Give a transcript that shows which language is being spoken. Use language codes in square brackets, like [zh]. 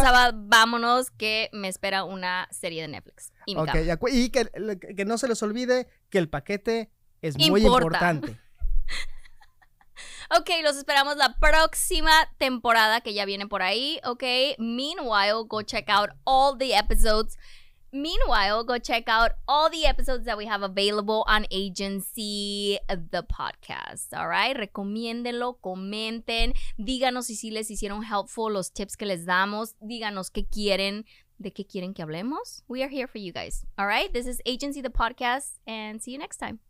[es] rosaba, vámonos, que me espera una serie de Netflix. Okay, y que no se les olvide que el paquete es muy importante. Ok, los esperamos la próxima temporada que ya viene por ahí, ok. [en] Meanwhile, go check out all the episodes. Meanwhile, go check out all the episodes that we have available on AGNC, the podcast, all right? [es] Recomiéndenlo, comenten, díganos si sí les hicieron helpful los tips que les damos, díganos qué quieren, de qué quieren que hablemos. [en] We are here for you guys, all right? This is AGNC, the podcast, and see you next time.